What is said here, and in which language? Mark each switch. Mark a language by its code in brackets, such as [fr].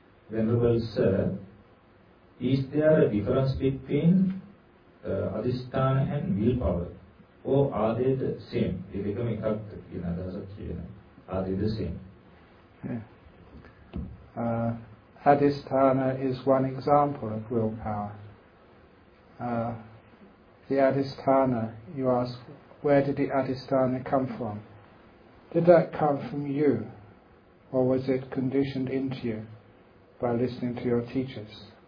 [en] Venerable Sir, is there a difference between adhishthana and willpower? Or are they the same? [si] ඒ දෙකම එකක්ද කියන අදහසක් කියනවා. [en] Are they the same? Adhisthana is one example of willpower. The Adhisthana, you ask, where did the Adhisthana come from? Did that come from you, or was it conditioned into you by listening to your teachers?